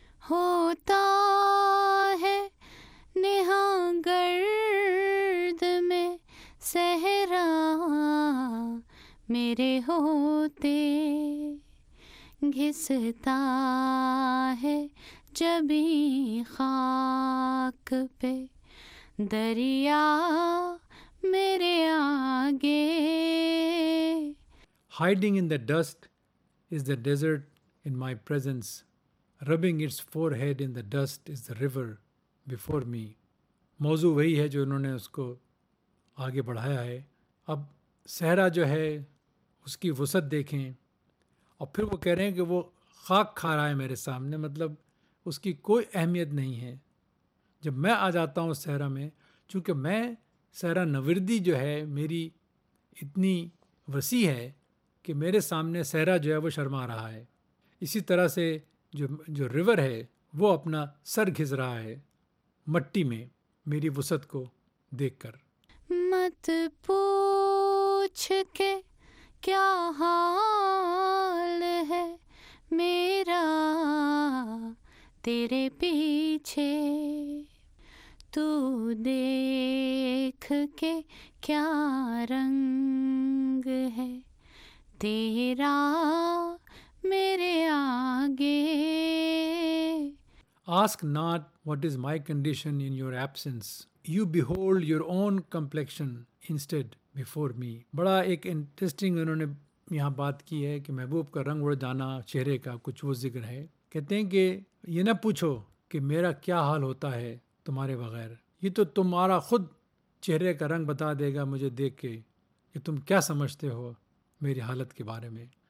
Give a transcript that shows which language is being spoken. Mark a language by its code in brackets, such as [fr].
[ur] ہوتا ہے نہاں گرد میں صحرا میرے ہوتے, گھستا ہے جبھی خاک پہ دریا میرے آگے. [en] Hiding in the dust is the desert in my presence. Rubbing its forehead in the dust is the river before me. [ur] موضوع وہی ہے جو انہوں نے اس کو آگے بڑھایا ہے. اب صحرا جو ہے اس کی وسعت دیکھیں, اور پھر وہ کہہ رہے ہیں کہ وہ خاک کھا رہا ہے میرے سامنے, مطلب اس کی کوئی اہمیت نہیں ہے. جب میں آ جاتا ہوں اس صحرا میں, چونکہ میں صحرا نوردی جو ہے میری اتنی وسیع ہے کہ میرے سامنے صحرا جو ہے وہ شرما رہا ہے. اسی طرح سے جو ریور ہے وہ اپنا سر گھس رہا ہے مٹی میں میری وسعت کو دیکھ کر. مت پوچھ کے کیا حال ہے میرا تیرے پیچھے, تو دیکھ کے کیا رنگ ہے تیرا میرے آگے. [en] Ask not what is my condition in your absence. You behold your own complexion instead before me. [ur] بڑا ایک انٹرسٹنگ انہوں نے یہاں بات کی ہے کہ محبوب کا رنگ اڑ جانا چہرے کا کچھ وہ ذکر ہے. کہتے ہیں کہ یہ نہ پوچھو کہ میرا کیا حال ہوتا ہے تمہارے بغیر, یہ تو تمہارا خود چہرے کا رنگ بتا دے گا مجھے دیکھ کے کہ تم کیا سمجھتے ہو میری حالت کے بارے میں.